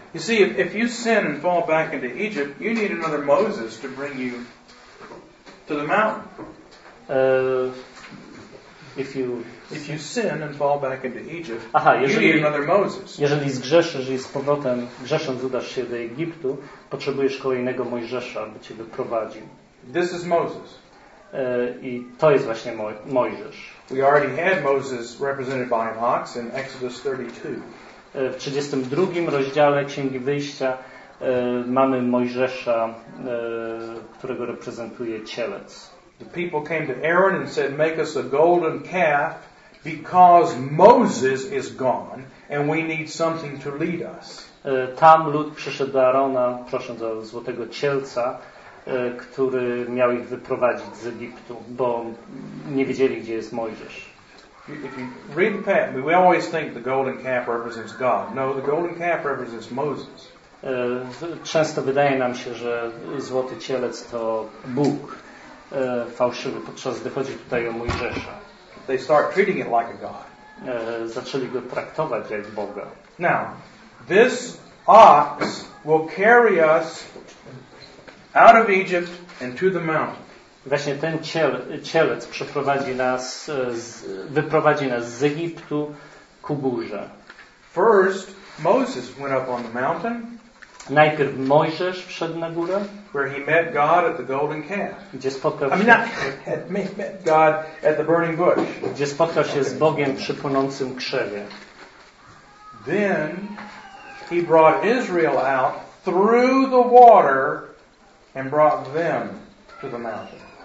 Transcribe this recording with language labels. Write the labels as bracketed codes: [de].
[en] You see, if you sin and fall back into Egypt, you need another Moses to bring you to the mountain. If you sin and fall back into Egypt, you need another Moses. [pl] Jeżeli zgrzeszysz i z powrotem grzesząc udasz się do Egiptu, potrzebujesz kolejnego Mojżesza, aby cię wyprowadził. [en] This is Moses. [pl] I to jest właśnie Mojżesz. [en] We already had Moses represented by an ox in Exodus 32. [pl] W 32 rozdziale Księgi Wyjścia mamy Mojżesza, którego reprezentuje cielec. [en] The people came to Aaron and said, "Make us a golden calf, because Moses is gone, and we need something to lead us." [pl] Tam lud przyszedł do Aarona, prosząc o złotego cielca, który miał ich wyprowadzić z Egiptu, bo nie wiedzieli, gdzie jest Mojżesz. [en] If you read the passage, we always think the golden calf represents God. No, the golden calf represents Moses. [pl] Często wydaje nam się, że złoty cielec to Bóg. Fałszywy, podczas gdy chodzi tutaj o Mojżesza. [en] They start treating it like a god. [pl] Zaczęli go traktować jak Boga. [en] Now, this ox will carry us out of Egypt and to the mountain. [pl] Właśnie ten cielec przeprowadzi nas, wyprowadzi nas z Egiptu ku górze. [en] First, Moses went up on the mountain. [pl] Najpierw Mojżesz wszedł na górę, [en] where he met God at the golden calf. [pl] Gdzie spotkał się, [en] met God at the burning bush. [pl] Gdzie spotkał się z Bogiem przy płonącym krzewie. [en] Then he brought Israel out through the water and brought them to the mountain.